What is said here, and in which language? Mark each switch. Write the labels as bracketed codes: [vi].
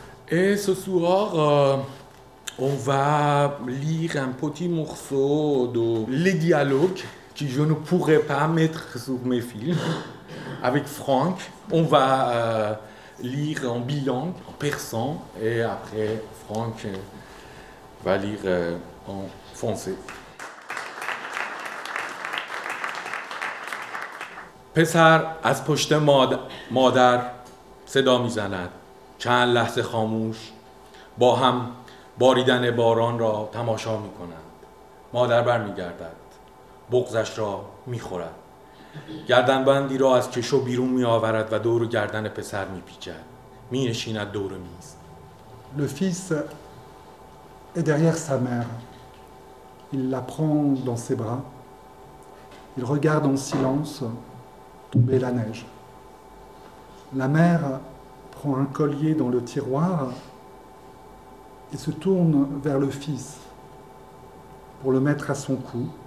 [fr] Et ce soir, on va lire un petit morceau de Les Dialogues que je ne pourrais pas mettre sur mes films. Avec Franck, on va lire en bilingue, en persan, et après Franck va lire en français. [fa] پسر از پشت مادر صدا میزند. چند لحظه خاموش با هم باریدن باران را تماشا میکنند. مادر برمیگردد. بغضش را میخورد. گردنبندی را از کشو بیرون می آورد و دور گردن پسر می پیچد. می نشیند دور میز. [fr] Le fils est derrière sa mère. Il la prend dans ses bras. Il regarde en silence tomber la neige. La mère prend un collier dans le tiroir et se tourne vers le fils pour le mettre à son cou.